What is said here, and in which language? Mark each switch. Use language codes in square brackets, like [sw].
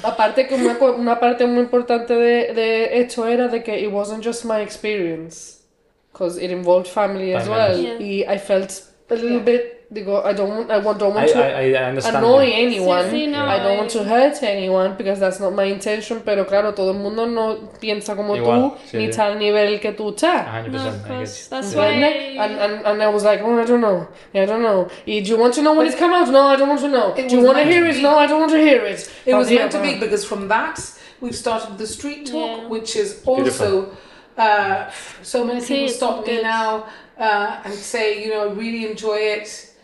[es] Aparte que una parte muy importante de esto era de que [en] it wasn't just my experience, because it involved family as well. Yeah. Y I felt a little bit, digo, I don't want to annoy anyone. [es] Sí, no, [en] I don't want to hurt anyone because that's not my intention. [es] Pero claro, todo el mundo no piensa como igual, tú ni está al nivel que tú estás. [en] 100%. No, that's why. And I was like, oh, I don't know. Do you want to know when it's come out? No, I don't want to know. Do you want to hear it? No, I don't want to hear it. It was meant to be, because from that we've started the street talk, which is also so many people stop me now and say, you know, I really enjoy it.